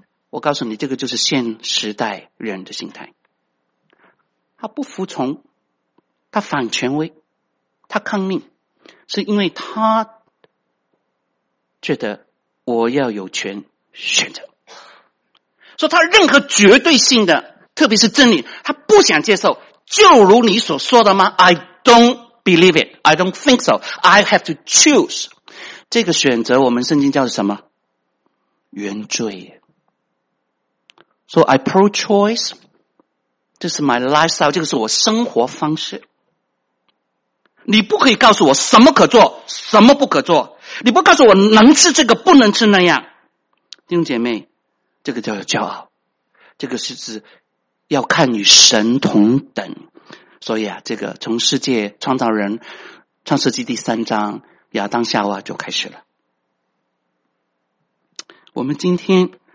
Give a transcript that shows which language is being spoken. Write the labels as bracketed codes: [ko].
[zh] 我告诉你，这个就是现时代人的心态，他不服从，他反权威，他抗命，是因为他觉得我要有权选择，所以他任何绝对性的，特别是真理，他不想接受，就如你所说的吗？ [en] I don't believe it, I don't think so, I have to choose. [zh] 这个选择我们圣经叫什么？原罪。 [en] So I pro-choice, this is my lifestyle, [zh] 这个是我生活方式。你不可以告诉我什么可做，什么不可做。你不告诉我能吃这个，不能吃那样。弟兄姐妹，这个叫做骄傲。这个是指要看与神同等。所以啊，这个从世界创造人，创世纪第三章，亚当夏娃就开始了。我们今天